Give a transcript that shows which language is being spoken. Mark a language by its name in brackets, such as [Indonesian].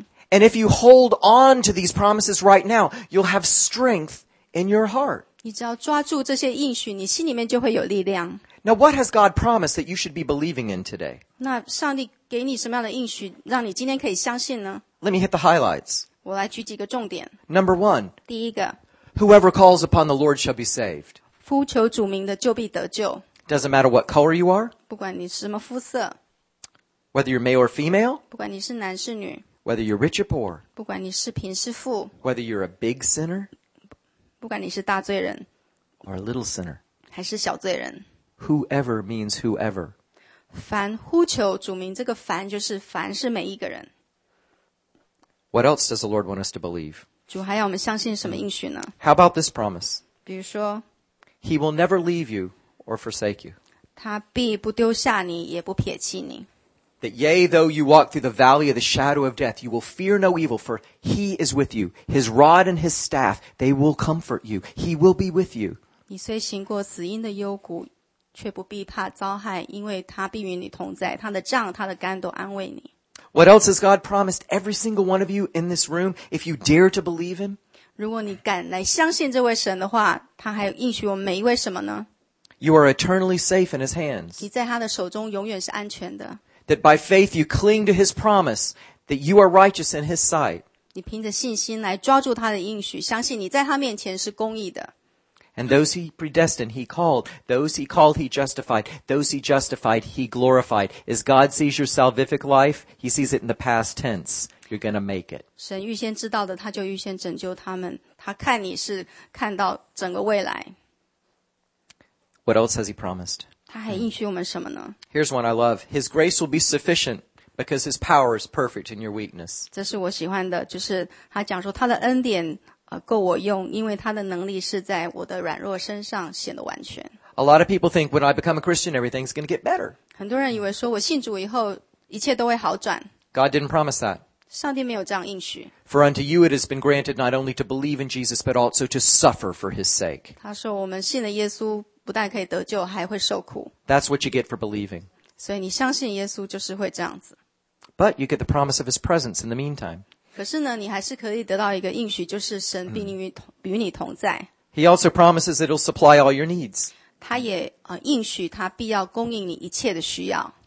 [English] and if you hold on to these promises right now, you'll have strength in your heart. [Chinese] 你只要抓住这些应许, 你心里面就会有力量。 [English] Now what has God promised that you should be believing in today? [Chinese] 那上帝给你什么样的应许, 让你今天可以相信呢? [English] Let me hit the highlights. [Chinese] 我来举几个重点。 [English] Number one. [Chinese] 第一个, [English] whoever calls upon the Lord shall be saved. [Chinese] 呼求主名的就必得救。 [English] Doesn't matter what color you are. [Chinese] 不管你什么肤色。 [English] Whether you're male or female. [Chinese] 不管你是男是女。 [English] Whether you're rich or poor. [Chinese] 不管你是贫是富。 [English] Whether you're a big sinner. [Chinese] 不管你是大罪人, [English] or a little sinner. [Chinese] 还是小罪人, [English] whoever means whoever. [Chinese] 凡呼求主名, 这个凡就是凡是每一个人。 [English] What else does the Lord want us to believe? [Chinese] 主还要我们相信什么应许呢? [English] How about this promise? [Chinese] 比如说, [English] he will never leave you or forsake you. [Chinese] 他必不丢下你, 也不撇弃你。 [English] That yea, though you walk through the valley of the shadow of death, you will fear no evil, for he is with you. His rod and his staff, they will comfort you. He will be with you. [Chinese] 你虽行过死荫的幽谷, 却不必怕遭害, 因为他必与你同在, 他的杖, 他的竿都安慰你。 [English] What else has God promised every single one of you in this room, if you dare to believe him? [Chinese] 如果你敢来相信这位神的话, 他还应许我们每一位什么呢? [English] You are eternally safe in his hands. [Chinese] 你在他的手中永远是安全的。 [English] That by faith you cling to his promise, that you are righteous in his sight. [Chinese] 你凭着信心来抓住他的应许, 相信你在他面前是公义的。 [English] And those he predestined, he called. Those he called, he justified. Those he justified, he glorified. As God sees your salvific life, he sees it in the past tense. You're going to make it. [Chinese] 神预先知道的, 他就预先拯救他们, 他看你是看到整个未来。 [English] What else has he promised? [Chinese] 他还应许我们什么呢? [English] Here's one I love. His grace will be sufficient because his power is perfect in your weakness. [Chinese] 这是我喜欢的, 就是他讲说他的恩典, 够我用, 因为他的能力是在我的软弱身上显得完全。 [English] A lot of people think when I become a Christian, everything's going to get better. [Chinese] 很多人以为说我信主以后, 一切都会好转。 [English] God didn't promise that. [Chinese] 上帝没有这样应许。 [English] For unto you it has been granted not only to believe in Jesus, but also to suffer for his sake. [Chinese] 他说我们信了耶稣, 不但可以得救, [English] that's what you get for believing. [Chinese] 所以你相信耶稣就是会这样子。 [English] But you get the promise of his presence in the meantime. [Chinese] 可是呢, 你还是可以得到一个应许, 就是神必与你同在。 [English] He also promises that he'll supply all your needs. [Chinese] 他也, 应许, 他必要供应你一切的需要。